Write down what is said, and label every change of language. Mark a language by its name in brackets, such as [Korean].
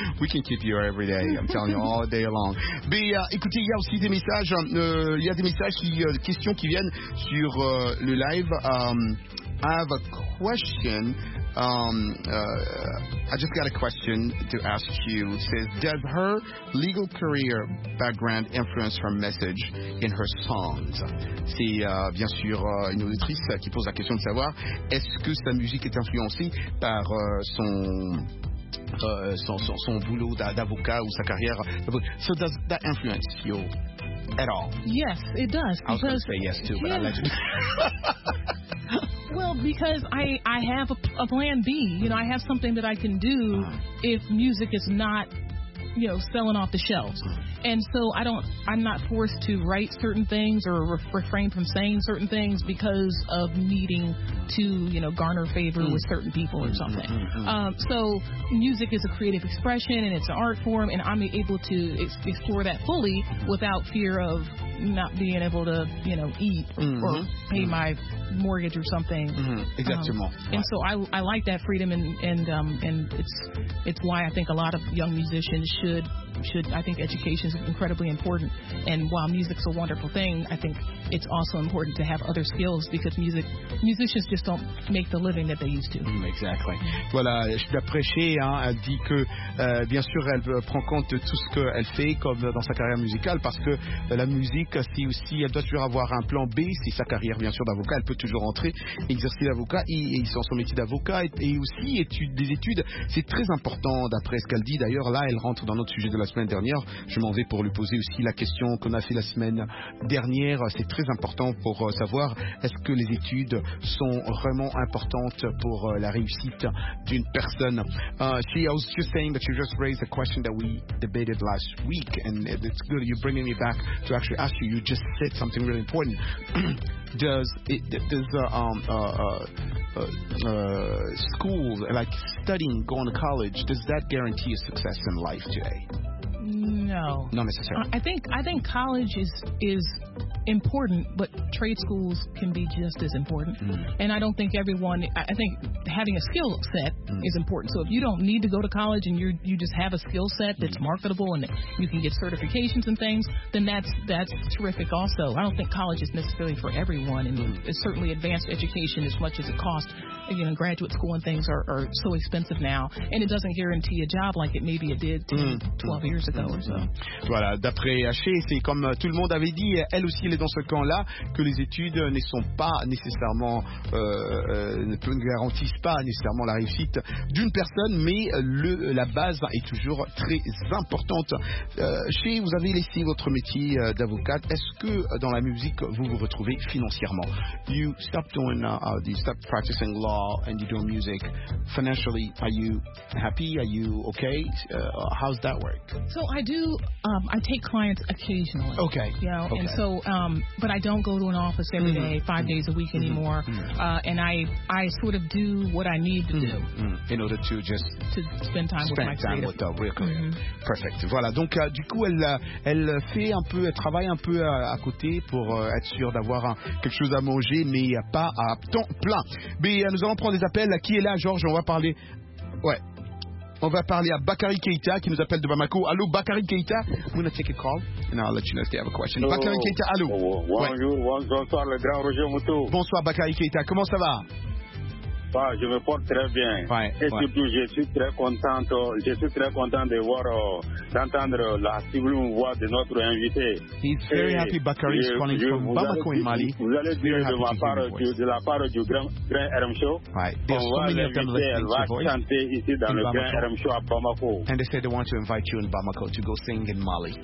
[English] We can keep you every day, I'm telling you, all day long. [French] Mais écoutez, il y a aussi des messages, des questions qui viennent sur le live. [English] I have a question. I just got a question to ask you. It says, does her legal career background influence her message in her songs? [French] C'est bien sûr une auditrice qui pose la question de savoir est-ce que sa musique est influencée par son boulot d'avocat ou sa carrière. [English] So does that influence you at all? Yes, it does. I was going to say yes too, but I'll let you. Well, because I have a plan B. You know, I have something that I can do if music is not you know, selling off the shelves. And so I'm not forced to write certain things or refrain from saying certain things because of needing to, you know, garner favor with certain people or something. So music is a creative expression and it's an art form, and I'm able to explore that fully without fear of not being able to, you know, eat or pay my mortgage or something. And so I like that freedom, and it's why I think a lot of young musicians should I think education is incredibly important, and while music's a wonderful thing, I think it's also important to have other skills, because musicians just don't make the living that they used to. Exactly. [French] Voilà, je l'appréciais, hein, elle dit que bien sûr elle prend compte de tout ce qu'elle fait comme dans sa carrière musicale, parce que la musique, si aussi elle doit toujours avoir un plan B, si sa carrière bien sûr d'avocat, elle peut toujours entrer exercer l'avocat et sans son métier d'avocat et aussi des études, c'est très important d'après ce qu'elle dit. D'ailleurs là elle rentre dans notre sujet de la semaine dernière, je m'en vais pour lui poser aussi la question qu'on a fait la semaine dernière. C'est très important pour savoir est-ce que les études sont vraiment importantes pour la réussite d'une personne. [English] She was just saying that you just raised a question that we debated last week, and it's good you're bringing me back to actually ask you. You just said something really important. School, like studying, going to college, does that guarantee a success in life today? No. Not necessarily. I think college is important, but trade schools can be just as important. And I don't think I think having a skill set is important. So if you don't need to go to college and you just have a skill set that's marketable and you can get certifications and things, then that's terrific also. I don't think college is necessarily for everyone, and it's certainly advanced education, as much as it costs. You know, graduate school and things are so expensive now, and it doesn't guarantee a job like it maybe it did 12 years ago or so. [French] Voilà, d'après Haché, c'est comme tout le monde avait dit, elle aussi elle est dans ce camp-là, que les études ne sont pas nécessairement ne garantissent pas nécessairement la réussite d'une personne, mais la base est toujours très importante. Haché, vous avez laissé votre métier d'avocate. Est-ce que dans la musique vous vous retrouvez financièrement? [English] You stopped practicing law and you're doing music. Financially, are you happy? Are you okay? How's that work? So I do, I take clients occasionally. Okay. You know, okay. And so, but I don't go to an office every day, 5 days a week anymore. And I sort of do what I need to do. In order to just spend time with the real career. Perfect. Voilà. [French] Donc, du coup, elle travaille un peu à côté pour être sûre d'avoir quelque chose à manger, mais pas à temps plein. Mais nous allons prendre des appels. Qui est là, Georges? On va parler à Bakary Keïta qui nous appelle de Bamako. Allô, Bakary Keïta? [English] I'm going to take a call and I'll let you know if they have a question. [French] Bakary Keïta, allô? Bonjour, bonsoir, le grand Roger Moutou. Bonsoir, Bakary Keïta. Comment ça va? Bah, je me porte très bien. Ouais, et surtout, je suis très content de voir, d'entendre la sublime voix de notre invité. [English] He's very et happy, Bakary is calling from Bamako in Mali. [French] Vous allez dire de la part du grand RM Show. [English] Right. [French] On va l'inviter, elle va chanter ici dans le grand RM Show à Bamako. [English] And they said they want to invite you in Bamako to go sing in Mali.